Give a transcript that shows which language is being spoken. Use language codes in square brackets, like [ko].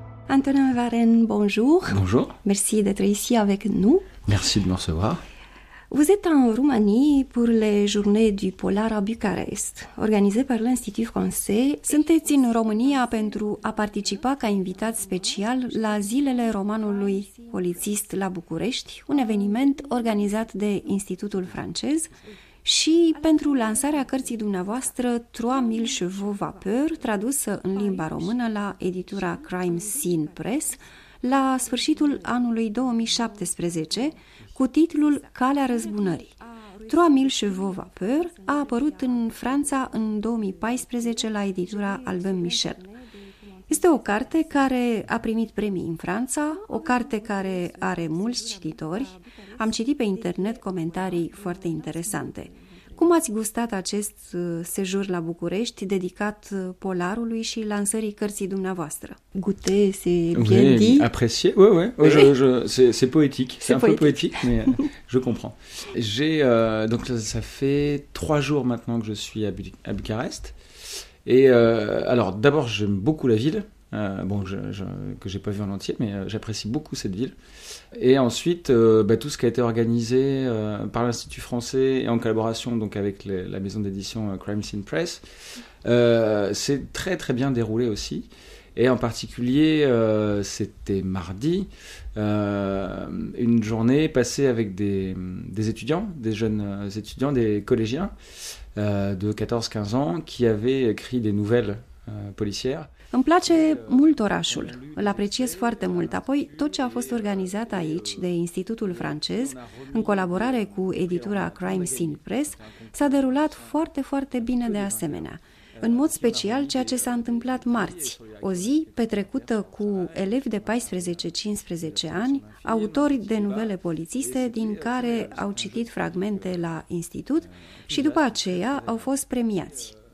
[fr] Antonin Varenne, bonjour. Bonjour. Merci d'être ici avec nous. Merci de me recevoir. Vous êtes en Roumanie pour les journées du polar à Bucarest, organisées par l'Institut français. [ro] Sunteți în România pentru a participa ca invitat special la zilele romanului polițist la București, un eveniment organizat de Institutul francez și pentru lansarea cărții dumneavoastră 3000 chevaux vapeur, tradusă în limba română la editura Crime Scene Press, la sfârșitul anului 2017, cu titlul Calea răzbunării. 3000 chevaux vapeur a apărut în Franța în 2014 la editura Albin Michel. Este o carte care a primit premii în Franța, o carte care are mulți cititori. Am citit pe internet comentarii foarte interesante. Cum ați gustat acest sejur la București dedicat polarului și lansării cărții dumneavoastră? [fr] Goûter, c'est bien dit. Oui, apprécié. Oui, oui. Oh, c'est poétique. C'est un peu poétique, mais je comprends. Donc ça fait 3 jours maintenant que je suis à Bucarest. Alors d'abord, j'aime beaucoup la ville. Que j'ai pas vu en entier, mais j'apprécie beaucoup cette ville. Et ensuite, tout ce qui a été organisé par l'Institut français et en collaboration donc avec la maison d'édition Crime Scene Press, c'est très très bien déroulé aussi. Et en particulier, c'était mardi, une journée passée avec des étudiants, des jeunes étudiants, des collégiens de 14-15 ans qui avaient écrit des nouvelles policières. [ro] Îmi place mult orașul, îl apreciez foarte mult. Apoi, tot ce a fost organizat aici de Institutul Francez, în colaborare cu editura Crime Scene Press, s-a derulat foarte, foarte bine de asemenea. În mod special, ceea ce s-a întâmplat marți, o zi petrecută cu elevi de 14-15 ani, autori de nuvele polițiste, din care au citit fragmente la institut și după aceea au fost premiați.